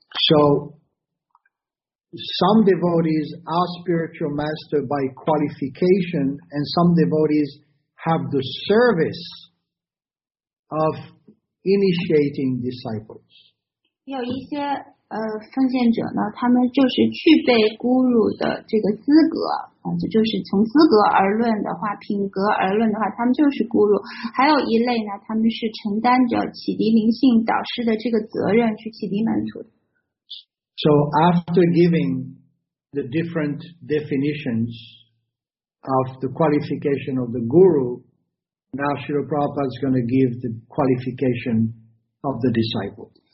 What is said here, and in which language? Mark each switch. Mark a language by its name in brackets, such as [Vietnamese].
[English] So, some devotees are spiritual master by qualification, and some devotees have the service of initiating disciples. [Chinese] 有一些奉献者呢，他们就是具备孤乳的这个资格这就是从资格而论的话，品格而论的话，他们就是孤乳。还有一类呢，他们是承担着启迪灵性导师的这个责任，去启迪门徒的。 [English] So after giving the different definitions of the qualification of the guru, now Srila Prabhupada is going to give the qualification of the disciple.